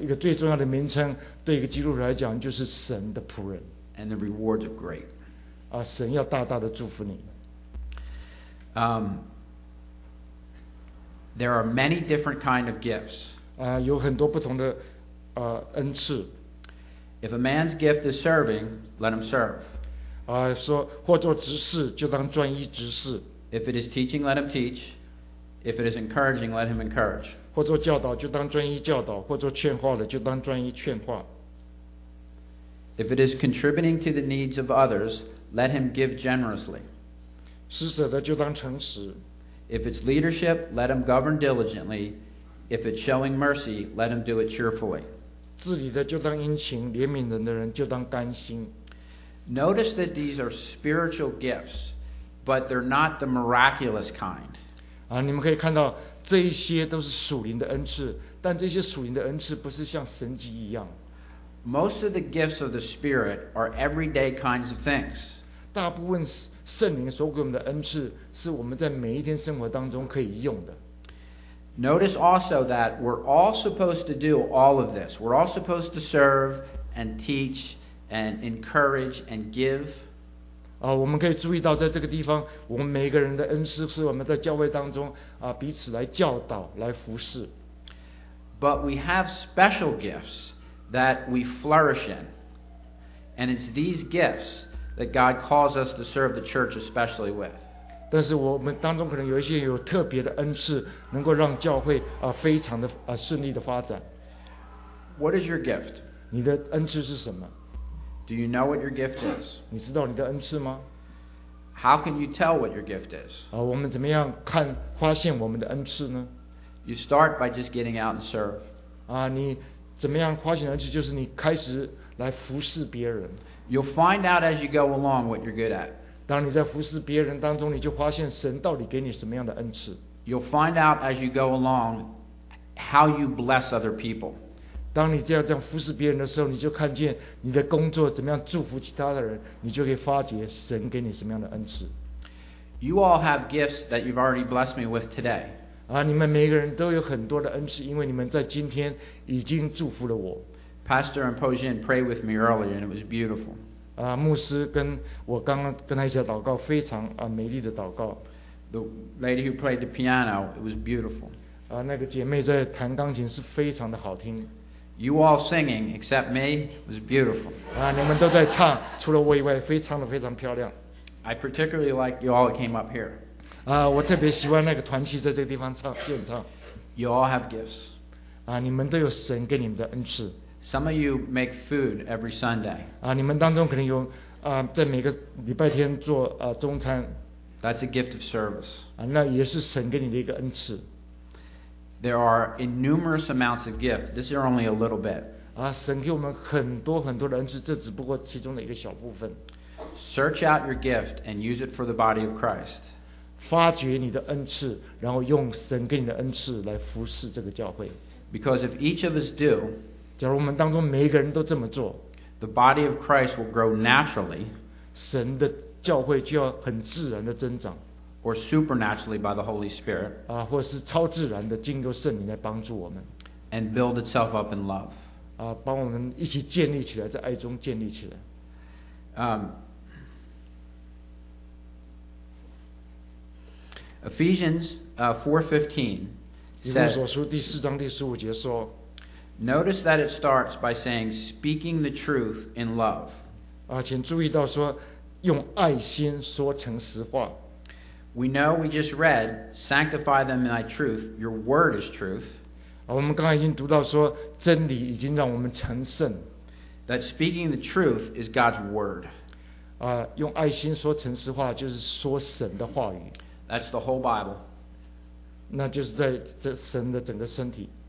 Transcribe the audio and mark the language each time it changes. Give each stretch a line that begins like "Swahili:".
Chinese: 一个最重要的名称对一个基督徒来讲就是神的仆人。
English: And the rewards are great.
Chinese: 神要大大的祝福你。
English: There are many different kinds of gifts.
Chinese: 有很多不同的恩赐。
English: If a man's gift is serving, let him serve.
Chinese: 说或做执事就当专一执事。
English: If it is teaching, let him teach. If it is encouraging, let him encourage.
Chinese: 或做教导就当专一教导，或做劝化的就当专一劝化。
English: If it is contributing to the needs of others, let him give generously.
Chinese: 施舍的就当诚实。
English: If it's leadership, let him govern diligently. If it's showing mercy, let him do it cheerfully.
Chinese: 治理的就当殷勤，怜悯人的人就当甘心。
English: Notice that these are spiritual gifts. But they're not the miraculous kind.
Chinese: 你们可以看到这一些都是属灵的恩赐，但这些属灵的恩赐不是像神迹一样。
English: Most of the gifts of the Spirit are everyday kinds of things.
Chinese: 大部分圣灵所给我们的恩赐是我们在每一天生活当中可以用的。
English: Notice also that we're all supposed to do all of this. We're all supposed to serve and teach and encourage and give.
Chinese: 我们可以注意到在这个地方，我们每个人的恩赐是我们在教会当中彼此来教导，来服侍。
English: But we have special gifts that we flourish in. And it's these gifts that God calls us to serve the church especially with.
Chinese: 但是我们当中可能有一些有特别的恩赐，能够让教会非常的顺利的发展。
English: What is your gift?
Chinese: 你的恩赐是什么？
English: Do you know what your gift is?
Chinese: 你知道你的恩赐吗？
English: How can you tell what your gift is?
Chinese: 我们怎么样看发现我们的恩赐呢？
English: You start by just getting out and serve.
Chinese: 你怎么样发现恩赐？就是你开始来服侍别人。
English: You'll find out as you go along what you're good at.
Chinese: 当你在服侍别人当中，你就发现神到底给你什么样的恩赐。
English: You'll find out as you go along how you bless other people.
Chinese: 当你这样服侍别人的时候，你就看见你的工作怎么样祝福其他的人，你就可以发觉神给你什么样的恩赐。
English: You all have gifts that you've already blessed me with today.
Chinese: 你们每个人都有很多的恩赐，因为你们在今天已经祝福了我。
English: Pastor and Pojin prayed with me earlier, and it was beautiful.
Chinese: 牧师跟我刚刚跟他一起祷告，非常美丽的祷告。
English: The lady who played the piano, it was beautiful.
Chinese: 那个姐妹在弹钢琴是非常的好听。
English: You all singing, except me, was beautiful.
Chinese: 你们都在唱，除了我以外，非常的非常漂亮。
English: I particularly like you all came up here.
Chinese: 我特别喜欢那个团契在这个地方唱演唱。
English: You all have gifts.
Chinese: 你们都有神给你们的恩赐。
English: Some of you make food every Sunday.
Chinese: 你们当中可能有在每个礼拜天做中餐。
English: That's a gift of service.
Chinese: 那也是神给你的一个恩赐。
English: There are innumerous amounts of gift. This is only a little bit.
Chinese: 神给我们很多很多的恩赐，这只不过其中的一个小部分。
English: Search out your gift and use it for the body of Christ.
Chinese: 发掘你的恩赐，然后用神给你的恩赐来服侍这个教会。
English: Because if each of us do,
Chinese: 假如我们当中每一个人都这么做，
English: the body of Christ will grow naturally.
Chinese: 神的教会就要很自然的增长。
English: Or supernaturally by the Holy Spirit,
Chinese: 或是超自然的经由圣灵来帮助我们
English: ，and build itself up in love,
Chinese: 帮我们一起建立起来，在爱中建立起来。
English: Ephesians 4:15 says,
Chinese: 以弗所书第四章第十五节说
English: ，Notice that it starts by saying speaking the truth in love.
Chinese: 请注意到说用爱心说诚实话。
English: We know we just read, sanctify them in thy truth. Your word is truth.
Chinese: 我们刚才已经读到说，真理已经让我们成圣。
English: That speaking the truth is God's word.
Chinese: 用爱心说诚实话，就是说神的话语。
English: That's the whole Bible.
Chinese: 那就是在这神的整个身体。